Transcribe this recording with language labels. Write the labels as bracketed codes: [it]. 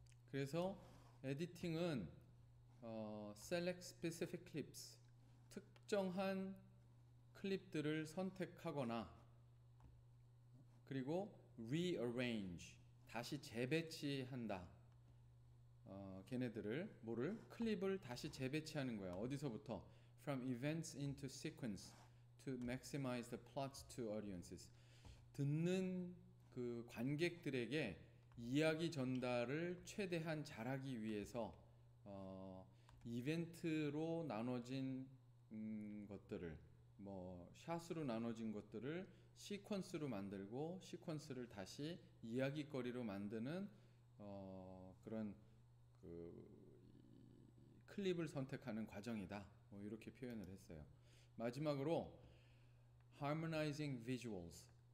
[ko] 그래서 에디팅은 [en] select specific clips, [ko] 특정한 클립들을 선택하거나 그리고 rearrange, 다시 재배치한다. 걔네들을 뭐를 클립을 다시 재배치하는 거야. 어디서부터? [en] From events into sequence to maximize the plots to audiences. [ko] 듣는 그 관객들에게 이야기 전달을 최대한 잘하기 위해서 이벤트로 나눠진 것들을 뭐 샷으로 나눠진 것들을 시퀀스로 만들고 시퀀스를 다시 이야기거리로 만드는 그런 클립을 선택하는 과정이다. 뭐 이렇게 표현을 했어요. 마지막으로 [en] harmonizing visuals.